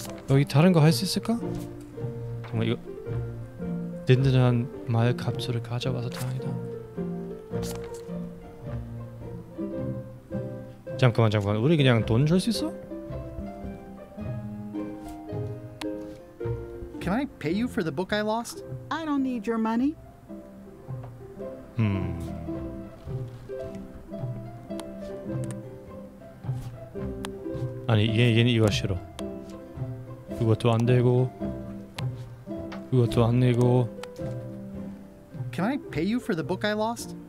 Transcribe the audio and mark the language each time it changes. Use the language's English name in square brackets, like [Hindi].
[Korean] 여기 다른 거 할 수 있을까? 정말 이거 든든한 마을 갑술을 가져와서 다행이다. 잠깐만 우리 그냥 돈 줄 수 있어? [English] Can I pay you for the book I lost? I don't need your money. [Korean] 아니 얘는 이거 싫어. 그것도 안 되고 그것도 안 되고. [English] Can I pay you for the book I lost?